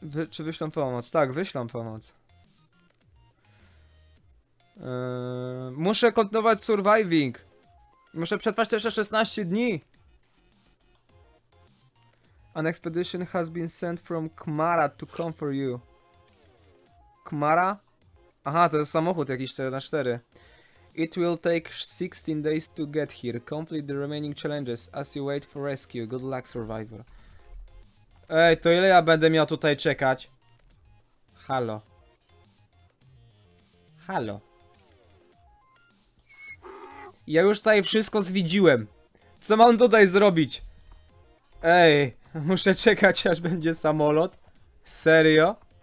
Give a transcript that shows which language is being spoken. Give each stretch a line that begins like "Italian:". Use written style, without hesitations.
Polish: Czy wyślą pomoc? Tak, wyślą pomoc. Muszę kontynuować surviving. Muszę przetrwać jeszcze 16 dni.
English: An expedition has been sent from Kmara to come for you.
Polish: Kmara? Aha, to jest samochód jakiś 4x4.
English: It will take 16 days to get here. Complete the remaining challenges as you wait for rescue. Good luck, survivor.
Polish: Ej, to ile ja będę miał tutaj czekać? Halo. Halo. Ja już tutaj wszystko zwiedziłem. Co mam tutaj zrobić? Ej, muszę czekać, aż będzie samolot. Serio?